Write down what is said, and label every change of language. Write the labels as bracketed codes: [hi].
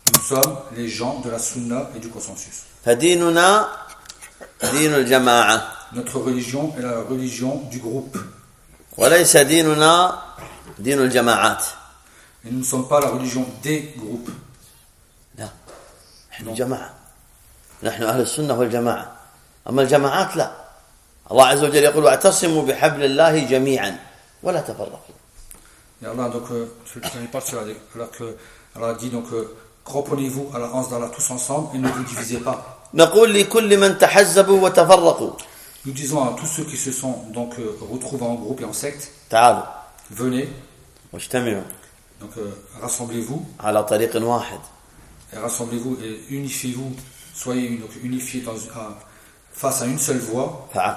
[fr] Nous sommes les gens de la Sunna et du consensus. [ar] فديننا دين الجماعة. [fr] Notre religion est la religion du groupe. [ar] وليس ديننا دين الجماعات. [fr] Et nous ne sommes pas la religion des groupes. [ar] نحن جماعة نحن أهل السنة والجماعة أما الجماعات لا الله عز وجل يقول اعتصموا بحبل الله جميعا ولا تفرقوا يا الله [fr] donc ce n'est pas cela alors que Allah dit donc comprenez-vous à l'avance d'Allah tous ensemble et ne vous divisez pas. [ar] نقول لكل من تحزبوا وتفرقوا [fr] nous disons à tous ceux qui se sont donc retrouvés en groupe et en secte [ar] تعالوا [fr] venez [ar] واجتمعوا [fr] donc rassemblez-vous [ar] على طريق واحد [fr] et rassemblez-vous et unifiez-vous, soyez donc unifiés face à une seule voix.